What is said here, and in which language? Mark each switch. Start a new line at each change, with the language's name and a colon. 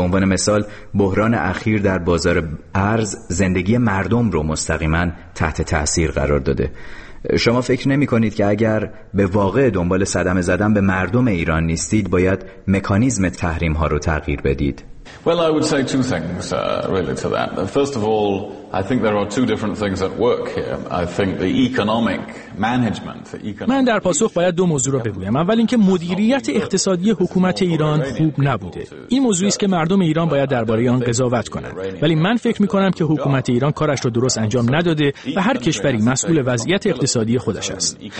Persian: به عنوان مثال، بحران اخیر در بازار ارز زندگی مردم رو مستقیما تحت تأثیر قرار داده. شما فکر نمی کنید که اگر به واقع دنبال صدمه زدن به مردم ایران نیستید، باید مکانیزم تحریم ها رو تغییر بدید؟
English: Well, I would say two things really to that. First of all, I think there are two different things at work here. I think the economic management,
Persian: من در پاسخ باید دو موضوع رو بگویم. اول اینکه مدیریت اقتصادی حکومت ایران خوب نبوده. این موضوعی است که مردم ایران باید درباره آن قضاوت کنند. ولی من فکر می‌کنم که حکومت ایران کارش را درست انجام نداده و هر کشوری مسئول وضعیت اقتصادی خودش است.